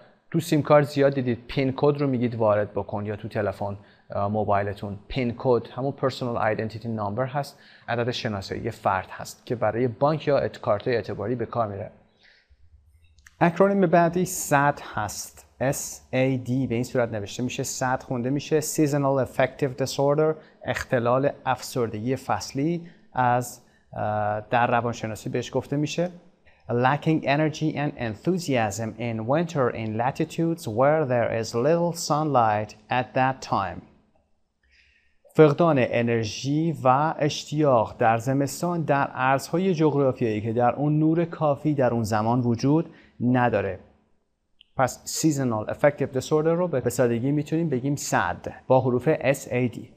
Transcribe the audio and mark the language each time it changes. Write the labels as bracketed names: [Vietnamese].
[Persian] تو سیم کارت زیاد دیدید PIN کد رو میگید وارد بکن، یا تو تلفن موبایلتون PIN کد، همون [English] Personal Identity Number [Persian] هست، عدد شناسایی فرد هست که برای بانک یا کارت اعتباری به کار میره. اکرونیم بعدی SAD هست، SAD به این صورت نوشته میشه، SAD خونده میشه [English] Seasonal Affective Disorder، [Persian] اختلال افسردگی فصلی از در روانشناسی بهش گفته میشه. [English] Lacking energy and enthusiasm in winter in latitudes where there is little sunlight at that time. [Persian] فقدان انرژی و اشتیاق در زمستان در عرضهای جغرافیایی که در اون نور کافی در اون زمان وجود نداره. پس [English] seasonal affective disorder [Persian] رو به سادگی میتونیم بگیم SAD با حروف SAD.